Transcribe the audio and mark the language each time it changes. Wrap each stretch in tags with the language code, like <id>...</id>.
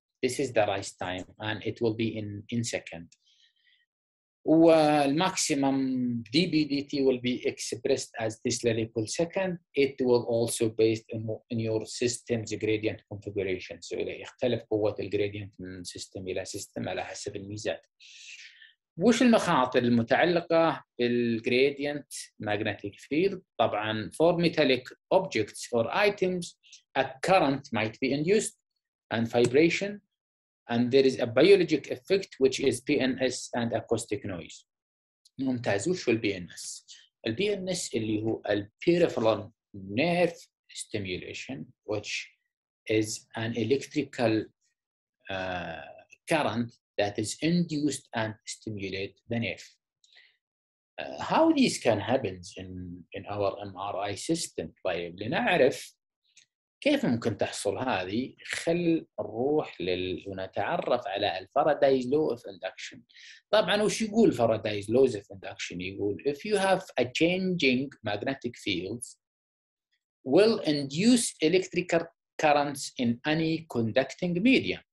<en>This is the rise time and it will be in second. والmaximum dBdt will be expressed as this equal second. It will also based in your system's gradient configuration.</en> <ar>So يختلف قوة الgradient من system إلى system على حسب الميزات. وش المخاطر المتعلقة</ar> <en>بالgradient magnetic field؟ طبعا for metallic objects or items a current might be induced and vibration. And there is a biologic effect which is PNS and acoustic noise.</en> <ar>ممتاز. وش هو</ar> <en>PNS؟ PNS اللي هو peripheral nerve stimulation which is an electrical current that is induced and stimulate the nerve. How this can happen in our MRI system?</en> <ar>طيب لنعرف كيف ممكن تحصل هذه؟ خل نروح ونتعرف على الفارادايز لو اوف اندكشن. طبعا وش يقول</ar> <en>Faraday's law of induction? يقول if you have a changing magnetic fields will induce electrical currents in any conducting medium.</en>